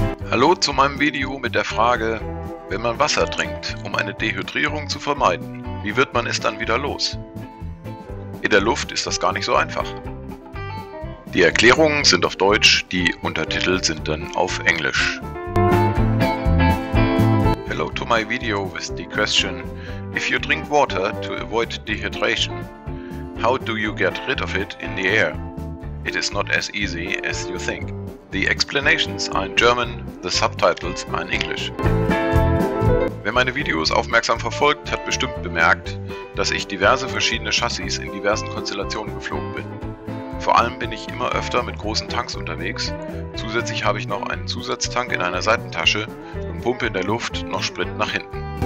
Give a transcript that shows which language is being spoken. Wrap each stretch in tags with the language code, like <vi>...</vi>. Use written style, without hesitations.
<de>Hallo zu meinem Video mit der Frage, wenn man Wasser trinkt, um eine Dehydrierung zu vermeiden, wie wird man es dann wieder los? In der Luft ist das gar nicht so einfach. Die Erklärungen sind auf Deutsch, die Untertitel sind dann auf Englisch.</de> <en>Hello to my video with the question, if you drink water to avoid dehydration, how do you get rid of it in the air? It is not as easy as you think. The explanations are in German, the subtitles are in English.</en> <de>Wer meine Videos aufmerksam verfolgt, hat bestimmt bemerkt, dass ich diverse verschiedene Chassis in diversen Konstellationen geflogen bin. Vor allem bin ich immer öfter mit großen Tanks unterwegs. Zusätzlich habe ich noch einen Zusatztank in einer Seitentasche und pumpe in der Luft noch Sprit nach hinten.</de>